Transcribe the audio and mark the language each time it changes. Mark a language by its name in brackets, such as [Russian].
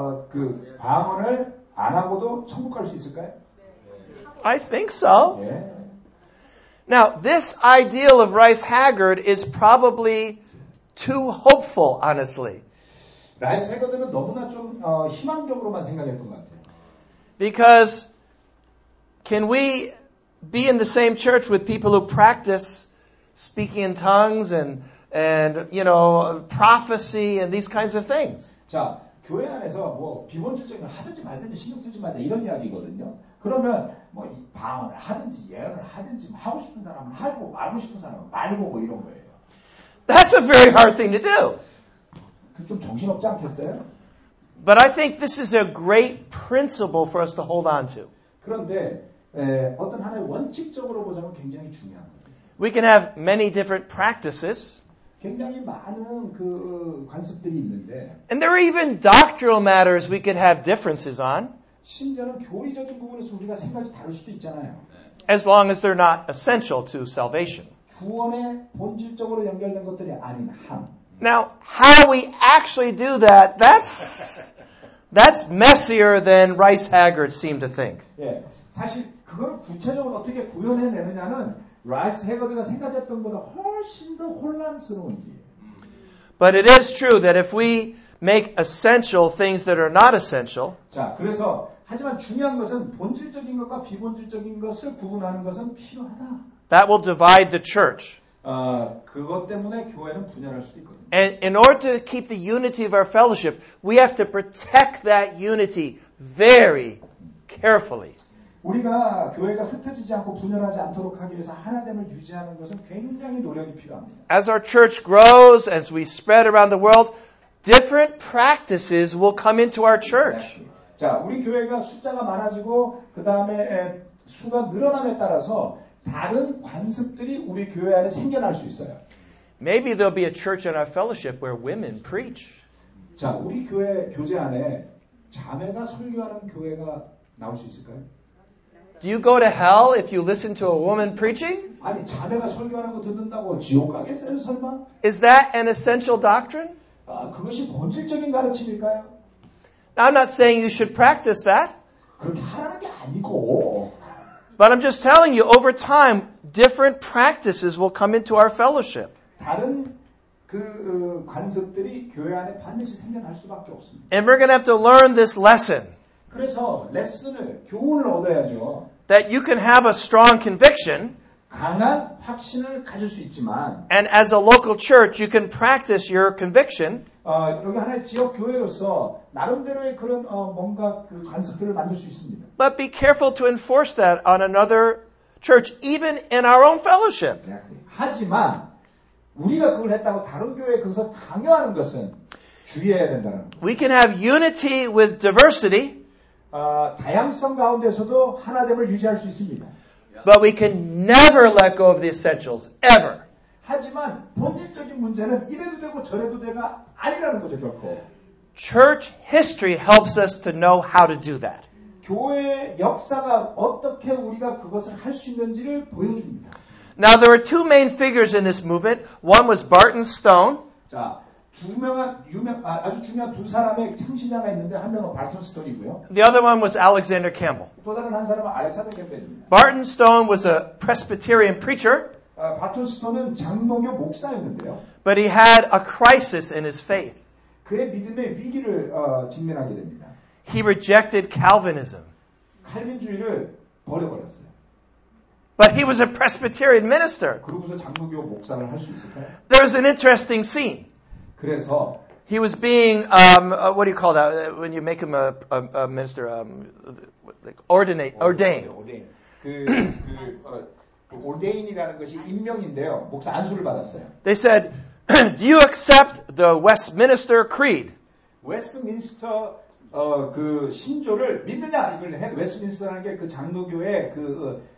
[Korean] 그 방언을 안 하고도 천국 갈 수 있을까요? [English] I think so. [Korean] 예. [English] Now, this ideal of Rice Haggard is probably too hopeful, honestly. [Korean] Rice Haggard은 너무나 좀 희망적으로만 생각했던 것 같아요. [English] Because can we be in the same church with people who practice speaking in tongues and you know prophecy and these kinds of things? [Korean] 자, 교회 안에서 뭐 비본질적인 하든지 말든지 신경 쓰지 말자 이런 이야기거든요. 그러면 뭐 이 방언을 하든지 예언을 하든지 하고 싶은 사람은 하고 말고 싶은 사람은 말고 뭐 이런 거예요. [English] That's a very hard thing to do. [Korean] 좀 정신없지 않겠어요? [English] But I think this is a great principle for us to hold on to. [Korean] 그런데 어떤 하나의 원칙적으로 보자면 굉장히 중요한 거예요. [English] We can have many different practices. [Korean] 굉장히 많은 그 관습들이 있는데. [English] And there are even doctrinal matters we could have differences on. [Korean] 심지어는 교리적인 부분에서 우리가 생각이 다를 수도 있잖아요. [English] As long as they're not essential to salvation. [Korean] 구원에 본질적으로 연결된 것들이 아닌 한. [English] Now, how we actually do that, that's messier than Rice Haggard seemed to think. [Korean] 예, 사실 그걸 구체적으로 어떻게 구현해 내느냐는 Rice Haggard가 생각했던 것보다 훨씬 더 혼란스러운 일이에요. [English] But it is true that if we make essential things that are not essential. [Korean] 자, 그래서 하지만 중요한 것은 본질적인 것과 비본질적인 것을 구분하는 것은 필요하다. [English] That will divide the church. [Korean] 그것 때문에 교회는 분열할 수도 있거든요. [English] And in order to keep the unity of our fellowship, we have to protect that unity very carefully. [Korean] 우리가 교회가 흩어지지 않고 분열하지 않도록 하기 위해서 하나됨을 유지하는 것은 굉장히 노력이 필요합니다. [English] As our church grows, as we spread around the world, different practices will come into our church. [Korean] 자, 우리 교회가 숫자가 많아지고 그다음에 수가 늘어남에 따라서 다른 관습들이 우리 교회 안에 생겨날 수 있어요. [English] Maybe there'll be a church in our fellowship where women preach. [Korean] 자, 우리 교회 교제 안에 자매가 설교하는 교회가 나올 수 있을까요? [English] Do you go to hell if you listen to a woman preaching? [Korean] 아니, 자매가 설교하는 거 듣는다고 지옥 가겠어요, 설마? [English] Is that an essential doctrine? [Korean] 그것이 본질적인 가르침일까요? [English] Now, I'm not saying you should practice that. [Korean] 그렇게 하라는 게 아니고. [English] But I'm just telling you, over time, different practices will come into our fellowship. [Korean] 다른 그 관습들이 교회 안에 반드시 생겨날 수밖에 없습니다. [English] And we're going to have to learn this lesson. [Korean] 그래서 레슨을, 교훈을 얻어야죠. [English] That you can have a strong conviction. [Korean] 강한 확신을 가질 수 있지만, [English] and as a local church, you can practice your conviction. [Korean] 여기 하나의 지역 교회로서 나름대로의 그런 뭔가 그 관습들을 만들 수 있습니다. [English] But be careful to enforce that on another church, even in our own fellowship. [Korean] 하지만 우리가 그걸 했다고 다른 교회에 그것을 강요하는 것은 주의해야 된다는 거예요. [English] We can have unity with diversity. [Korean] 다양성 가운데서도 하나됨을 유지할 수 있습니다. [English] But we can never let go of the essentials, ever. [Korean] 하지만 본질적인 문제는 이래도 되고 저래도 되가 아니라는 거죠, 결코. [English] Church history helps us to know how to do that. [Korean] 교회의 역사가 어떻게 우리가 그것을 할 수 있는지를 보여줍니다. [English] Now, there were two main figures in this movement. One was Barton Stone. [Korean] 자, 아주 중요한 두 사람의 창시자가 있는데 한 명은 Barton Stone이고요. [English] The other one was Alexander Campbell. [Korean] 또 다른 한 사람은 알렉산더 캠벨입니다. [English] Barton Stone was a Presbyterian preacher. [Korean] Barton Stone은 장로교 목사였는데요. [English] But he had a crisis in his faith. [Korean] 그의 믿음의 위기를 직면하게 됩니다. [English] He rejected Calvinism. [Korean] 칼빈주의를 버려버렸어요. [English] But he was a Presbyterian minister. [Korean] 그러고서 장로교 목사를 할 수 있을까요? [English] There was an interesting scene. [Korean] 그래서 [English] he was being what do you call that when you make him a minister like ordained. [Korean] 그 ordain이라는 것이 임명인데요. 목사 안수를 받았어요. [English] They said, "Do you accept the Westminster Creed?" [Korean] Westminster 그 신조를 믿느냐? 이걸 Westminster라는 게 그 장로교의 그